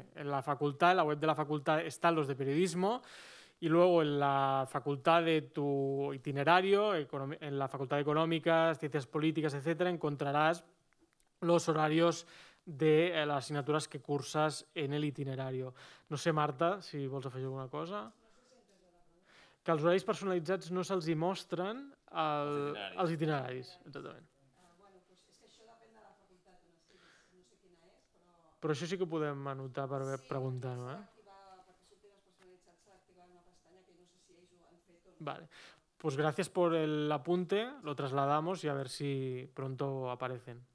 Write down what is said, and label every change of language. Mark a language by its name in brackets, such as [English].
[Spanish] En la facultad, en la web de la facultad están los de periodismo y luego en la facultad de tu itinerario, en la facultad de económicas, ciencias políticas, etcétera, encontrarás los horarios de las asignaturas que cursas en el itinerario. [Catalan] No sé, Marta, si vols afegir alguna cosa. Que els horaris personalitzats no se'ls hi mostren els itineraris. Exactament. Bueno, pues es que això depèn de la facultat, no sé quina és, però això sí que ho podem anotar per preguntar-ho. Sí, perquè surti les personalitzats s'ha d'activar una pestanya que no sé si ells ho han fet o no. Vale. [Spanish] Pues gracias por el apunte, lo trasladamos y a ver si pronto aparecen.